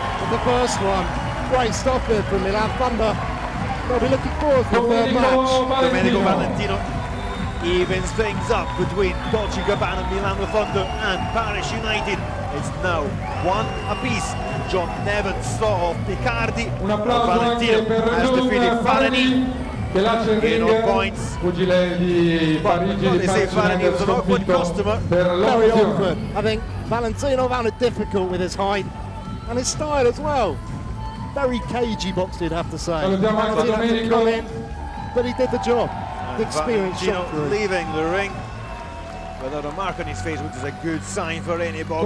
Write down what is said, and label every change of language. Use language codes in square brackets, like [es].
[en] The first one, great stop there from Milan Thunder. They'll be looking forward to the third match. Domenico Valentino evens things up between Dolce & Gabbana and Milano Thunder and Paris United. It's now one apiece. John Nevin saw off Picardi. [it] Un applauso Valentino anche per Radouane Farhany che lascia il ring, pugile di Parigi di Farhany [en] is an awkward customer. Very awkward. I think Valentino found it difficult with his height. And his style as well. Very cagey boxed, I'd have to say. Domenico. But he did the job. The experience shot through. Leaving the ring without a mark on his face, which is a good sign for any boxer.